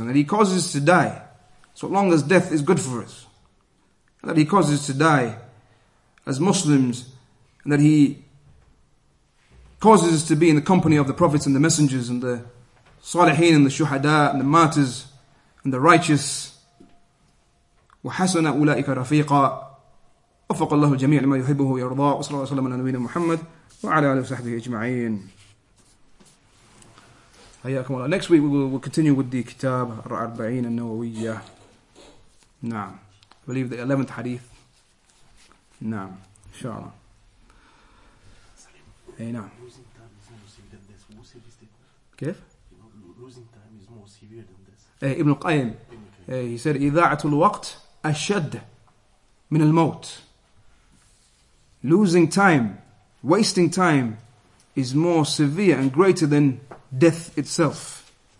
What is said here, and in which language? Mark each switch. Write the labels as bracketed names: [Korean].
[English] And that He causes us to die so long as death is good for us. And that He causes us to die as Muslims. And that He causes us to be in the company of the prophets and the messengers and the salihin and the shuhada and the martyrs and the righteous. [Arabic] وحسن أولئك رفيقا وفق الله الجميع لما يحبه ويرضى وصلى الله وسلم على نبينا محمد وعلى آله وصحبه أجمعين. حياكم الله. [English] Next week we will continue with the [Arabic] كتاب الأربعين النووية. نعم. [English] I believe the 11th hadith. [Arabic] نعم. إن شاء الله. [English] Hey, no. Losing time is more severe than death. Who said this? [Arabic] كيف? [English] Losing time is more severe than death. Hey, Ibn Qayyim. Hey, he said, [Arabic] إذاعة الوقت أشد من الموت. [English] Losing time, wasting time, is more severe and greater than death itself.